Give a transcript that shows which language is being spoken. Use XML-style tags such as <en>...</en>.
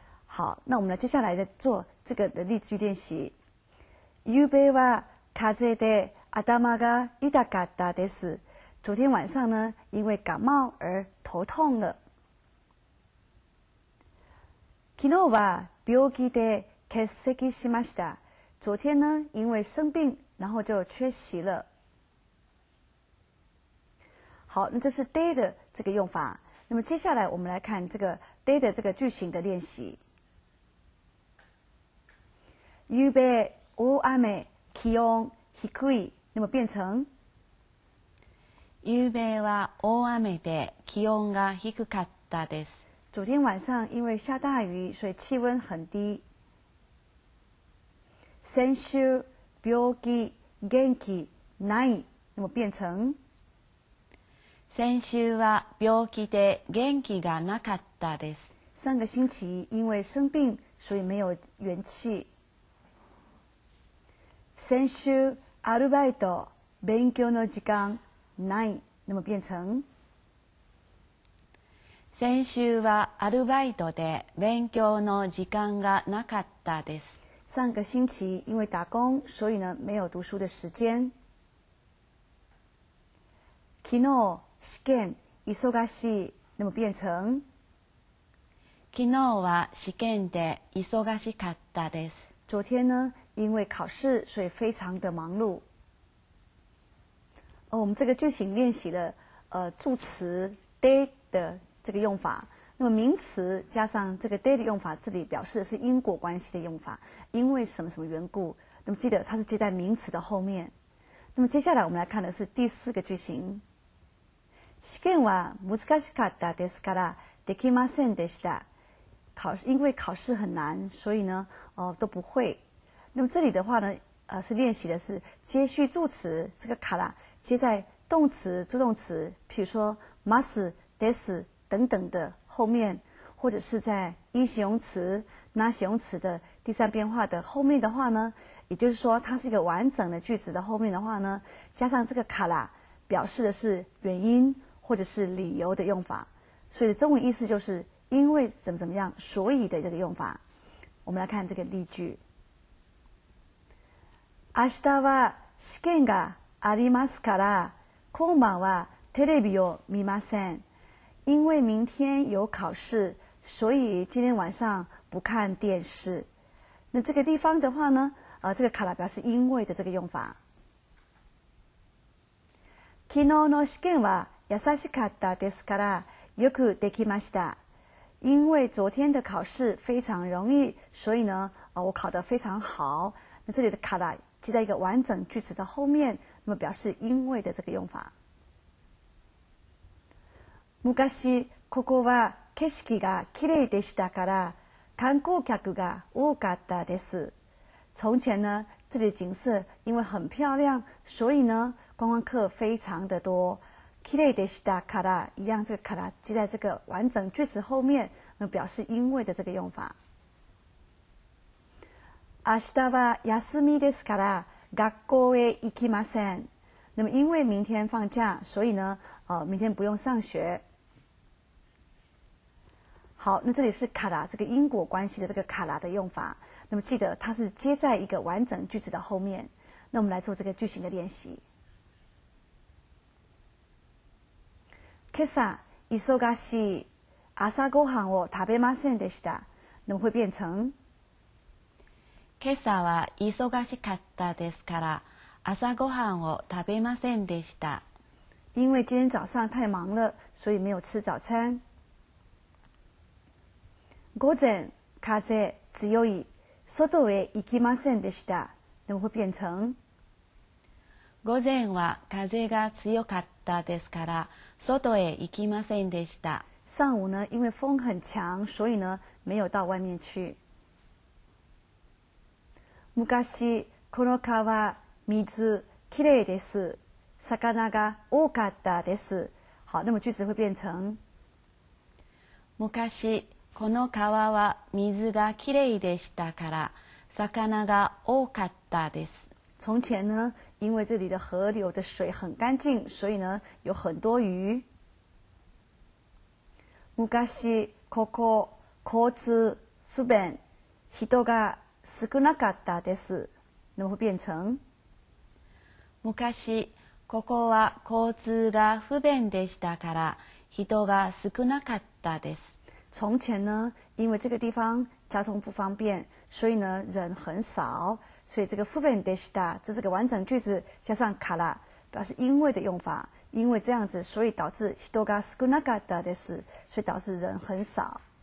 <zh>好，那我们来接下来的做这个的例句练习。</zh> <ja>ゆうべは風で頭が痛かったです。</ja> <zh>昨天晚上呢，因为感冒而头痛了。</zh> <ja>昨日は病気で欠席しました。</ja> <zh>昨天呢，因为生病，然后就缺席了。好，那这是 day 的这个用法。那么接下来我们来看这个 day 的这个句型的练习。</zh> <ja>昨夜大雨，気温低い。</ja> <zh>那么变成</zh> <ja>昨夜は大雨で気温が低かったです。</ja> <zh>昨天晚上因为下大雨，所以气温很低。</zh> <ja>先週病気元気ない，</ja> <zh>那么变成</zh> <ja>先週は病気で元気がなかったです。</ja> <zh>上个星期因为生病，所以没有元气。</zh> <ja>先週アルバイト勉強の時間ない，</ja> <zh>那么变成</zh> <ja>先週はアルバイトで勉強の時間がなかったです。</ja> <zh>上个星期因为打工，所以呢没有读书的时间。</zh> <ja>昨日試験忙しい，</ja> <zh>那么变成</zh> <ja>昨日は試験で忙しかったです。</ja> <zh>昨天呢因为考试，所以非常的忙碌。哦，我们这个句型练习了助词 day 的这个用法，那么名词加上这个 day 的用法，这里表示的是因果关系的用法，因为什么什么缘故。那么记得它是接在名词的后面。那么接下来我们来看的是第四个句型。</zh> <ja>試験は難しかったですからできませんでした。</ja> <zh>考试因为考试很难，所以呢都不会。那么这里的话呢是练习的是接续助词，这个卡拉接在动词助动词，譬如说 must、です等等的后面，或者是在一形容词、那形容词的第三变化的后面的话呢，也就是说它是一个完整的句子的后面的话呢，加上这个卡拉，表示的是原因或者是理由的用法，所以中文意思就是因为怎么怎么样，所以的这个用法。我们来看这个例句。</zh> <ja>明日は試験がありますから、今晩はテレビを見ません。</ja> <zh>因为明天有考试，所以今天晚上不看电视。那这个地方的话呢，这个卡拉表示因为的这个用法。</zh> <ja>昨日の試験は優しかったですから、よくできました。</ja> <zh>因为昨天的考试非常容易，所以呢，我考得非常好。那这里的卡拉记在一个完整句子的后面，那么表示因为的这个用法。</zh> <ja>昔ここは景色が綺麗でしたから、観光客が多かったです。</ja> <zh>从前呢，这里的景色因为很漂亮，所以呢，观光客非常的多。</zh> <ja>綺麗でしたから</ja> <zh>一样，这个から记在这个完整句子后面，那表示因为的这个用法。</zh> <ja>明日は休みですから学校へ行きません。</ja> <zh>那么因为明天放假，所以呢，明天不用上学。好，那这里是から这个因果关系的这个から的用法。那么记得它是接在一个完整句子的后面。那我们来做这个句型的练习。</zh> <ja>今朝忙しい、朝ごはんを食べませんでした。</ja> <zh>那么会变成。</zh> <ja>今朝は忙しかったですから、朝ごはんを食べませんでした。</ja> <zh>因为今天早上太忙了，所以没有吃早餐。</zh> <ja>午前風強い、外へ行きませんでした。</ja> <zh>那么会变成。</zh> <ja>午前は風が強かったですから、外へ行きませんでした。</ja> <zh>上午呢，因为风很强，所以呢没有到外面去。</zh> <ja>昔この川水きれいです。魚が多かったです。</ja> <zh>好，那么句子会变成。</zh> <ja>昔この川は水がきれいでしたから、魚が多かったです。</ja> <zh>从前呢，因为这里的河流的水很干净，所以呢有很多鱼。</zh> <ja>昔ここ交通不便、人が少なかったです。</ja> <zh>那么会变成。</zh> <ja>昔ここは交通が不便でしたから、人が少なかったです。</ja> <zh>从前呢，因为这个地方交通不方便，所以呢人很少。所以这个</zh> <ja>不便でした，</ja> <zh>这是个完整句子，加上から表示因为的用法，因为这样子，所以导致</zh> <ja>人が少なかったです，</ja> <zh>所以导致人很少。</zh>